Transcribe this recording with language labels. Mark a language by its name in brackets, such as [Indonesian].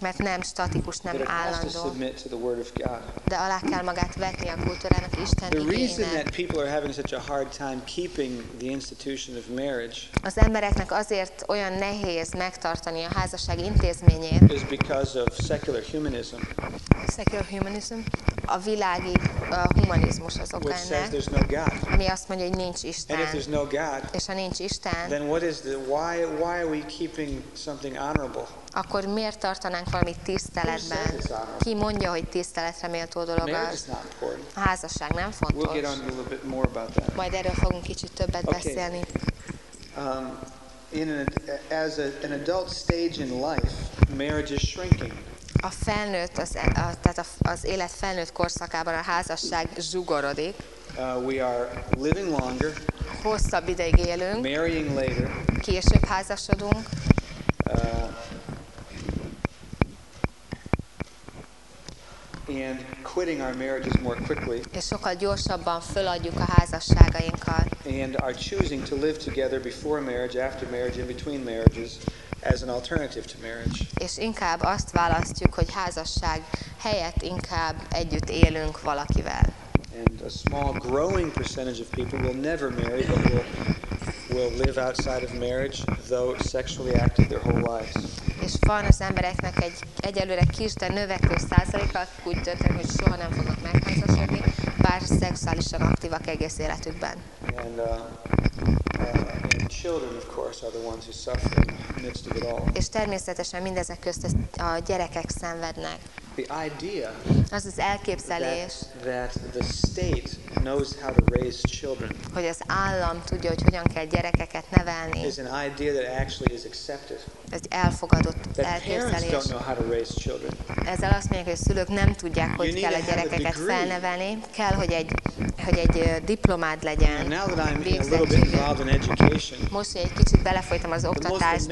[Hungarian] Mert nem statikus, nem állandó. [English] Submit to the word of God. [Hungarian] De alá kell magát vetni a kultúrának, Isten igényének. [English] The reason that people are having such a hard time keeping the institution of marriage. [Hungarian] Az embereknek azért olyan nehéz megtartani a házasság intézményét. [English] Is because of secular humanism. Secular humanism. [Hungarian] A világi humanizmus az oka ennek. [English] Which says there's no God. [Hungarian] Ami azt mondja, hogy nincs Isten. [English] And if there's no God. [Hungarian] És ha nincs Isten. [English] Then what is the why are we keeping something honorable? [Hungarian] Akkor miért tartanánk valamit tiszteletben? Ki mondja, hogy tiszteletre méltó dolog az? A házasság nem fontos. [English] We'll get on a little bit more about that. [Hungarian] Majd erről fogunk kicsit többet [English] okay. [Hungarian] beszélni. [English] As an adult stage in life, marriage is shrinking. [Hungarian] A felnőtt az élet felnőtt korszakában a házasság zsugorodik. [English] We are living longer. [Hungarian] Hosszabb ideig élünk. [English] Marrying later. [Hungarian] Később házasodunk. [English] And quitting our marriages more quickly. [Hungarian] És sokkal gyorsabban feladjuk a házasságainkat. [English] And are choosing to live together before marriage, after marriage, in between marriages as an alternative to marriage. [Hungarian] És inkább azt választjuk, hogy házasság helyett inkább együtt élünk valakivel. [English] And a small growing percentage of people will never marry, but will live outside of marriage, though sexually active their whole lives. [Hungarian] És van az embereknek egyelőre kis, de növekvő százaléka, úgy döntenek, hogy soha nem fognak megházasodni, bár szexuálisan aktívak egész életükben. [English] And, and children, of course, are the ones who suffer in the midst of it all. [Hungarian] És természetesen mindezek közt a gyerekek szenvednek. [English] The idea [Hungarian] az az elképzelés, [English] that the state knows how to raise children, [Hungarian] hogy az állam tudja, hogy hogyan kell gyerekeket nevelni, [English] is an idea that actually is accepted. [Hungarian] Egy elfogadott elképzelés. [English] That parents don't know how to raise children. [Hungarian] Ezzel azt mondják, hogy a szülők nem tudják, hogy kell a gyerekeket felnevelni. Kell, hogy egy diplomád legyen. [English] And now that I'm a little bit involved in education, [Hungarian] most, hogy egy kicsit belefolytam az oktatásba,